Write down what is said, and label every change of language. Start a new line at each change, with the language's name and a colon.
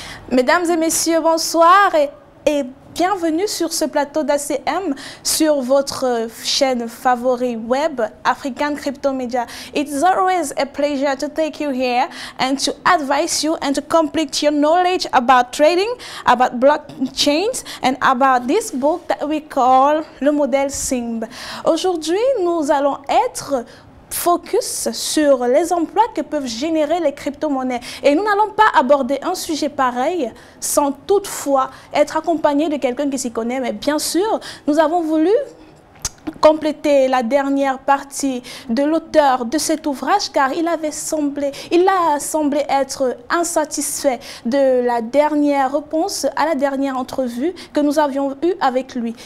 French: Mesdames et messieurs, bonsoir et bienvenue sur ce plateau d'ACM, sur votre chaîne favori web, African Crypto Media.
English: It's always a pleasure to take you here and to advise you and to complete your knowledge about trading, about blockchains and about this book that we call Le Modèle SIMB.
French: Aujourd'hui, nous allons être focus sur les emplois que peuvent générer les crypto-monnaies. Et nous n'allons pas aborder un sujet pareil sans toutefois être accompagné de quelqu'un qui s'y connaît. Mais bien sûr, nous avons voulu compléter la dernière partie de l'auteur de cet ouvrage car il a semblé être insatisfait de la dernière réponse à la dernière entrevue que nous avions eue avec lui.